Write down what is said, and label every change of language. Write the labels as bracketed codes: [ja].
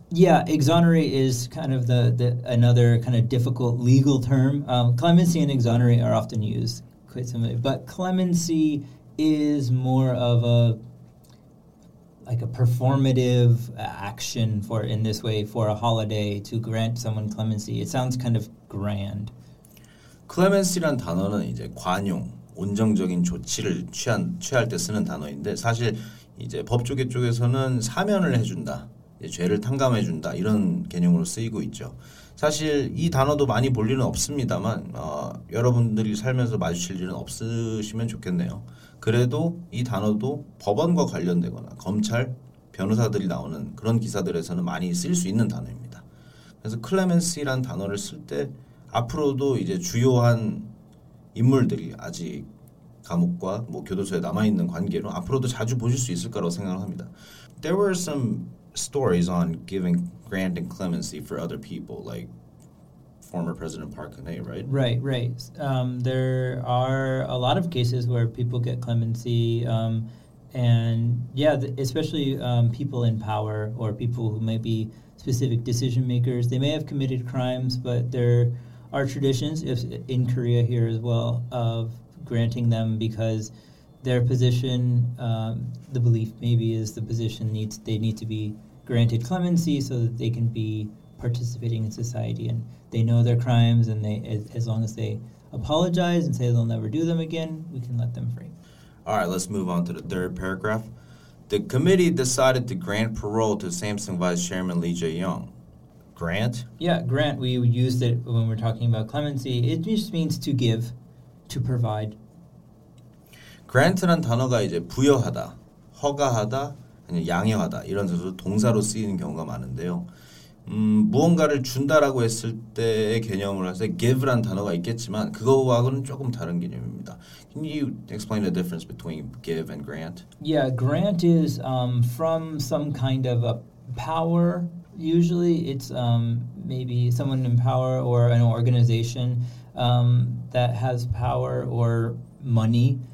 [en] Yeah, exonerate is kind of the another kind of difficult legal term. Clemency and exonerate are often used quite similarly, but clemency is more of a like a performative action for in this way for a holiday to grant someone clemency. It sounds kind of grand. [ko] Clemency란 단어는 이제 관용, 온정적인 조치를 취할 때 쓰는 단어인데 사실 이제 법조계 쪽에서는 사면을 해준다, 이제 죄를 탕감해준다 이런 개념으로 쓰이고 있죠. 사실 이 단어도 많이 볼 일은 없습니다만 여러분들이 살면서 마주칠 일은 없으시면 좋겠네요. 그래도 이 단어도 법원과 관련되거나 검찰, 변호사들이 나오는 그런 기사들에서는 많이 쓸 수 있는 단어입니다. 그래서 클레멘시라는 단어를 쓸 때 앞으로도 이제 주요한 인물들이 아직 감옥과 뭐 교도소에 남아있는 관계로 앞으로도 자주 보실 수 있을 거라고 생각합니다. [en] There were some stories on granting clemency for other people, like former President Parkané, right? Right, right. There are a lot of cases where people get clemency, and yeah, especially people in power or people who may be specific decision makers. They may have committed crimes, but there are traditions in Korea here as well of granting them because their position, the belief maybe is the position needs they need to be granted clemency so that they can be participating in society and they know their crimes and they as long as they apologize and say they'll never do them again, we can let them free. All right, let's move on to the third paragraph. The committee decided to grant parole to Samsung Vice Chairman Lee Jae-yong. Grant? Yeah, grant. We used it when we're talking about clemency. It just means to give, to provide. [ko] Grant란 단어가 이제 부여하다, 허가하다, 아니면 양해하다 이런 뜻으로 동사로 쓰이는 경우가 많은데요. 무언가를 준다라고 했을 때의 개념으로 해서 give란 단어가 있겠지만 그거와는 조금 다른 개념입니다. [en] Can you explain the difference between give and grant? Yeah, grant is from some kind of a power. Usually it's maybe someone in power or an organization that has power or money.